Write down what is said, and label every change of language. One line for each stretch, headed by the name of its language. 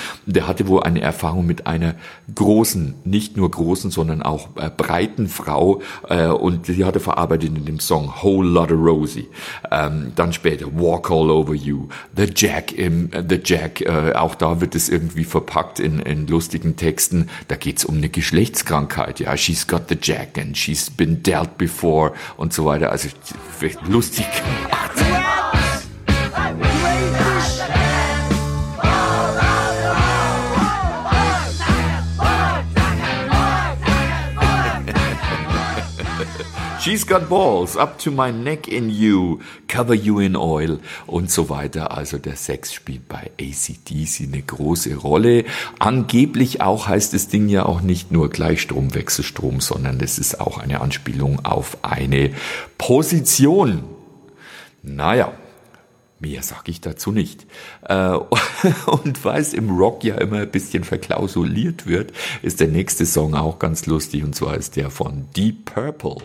German: Der hatte wohl eine Erfahrung mit einer großen, nicht nur großen, sondern auch breiten Frau, und die hatte verarbeitet in dem Song Whole Lotta Rosie. Dann später Walk All Over You, The Jack, auch da wird es irgendwie verpackt in lustigen Texten. Da geht's um eine Geschlechtskrankheit, ja.
English: She's got the Jack and she's been dealt before
German: und so weiter,
English: also lustig.
German: Ja,
English: She's got balls up to my neck in you, cover you in oil
German: und so weiter. Also der Sex spielt bei AC/DC eine große Rolle. Angeblich auch heißt das Ding ja auch nicht nur Gleichstrom, Wechselstrom, sondern es ist auch eine Anspielung auf eine Position. Naja. Mehr sage ich dazu nicht. Und weil es im Rock ja immer ein bisschen verklausuliert wird, ist der nächste Song auch ganz lustig, und zwar ist der von Deep Purple.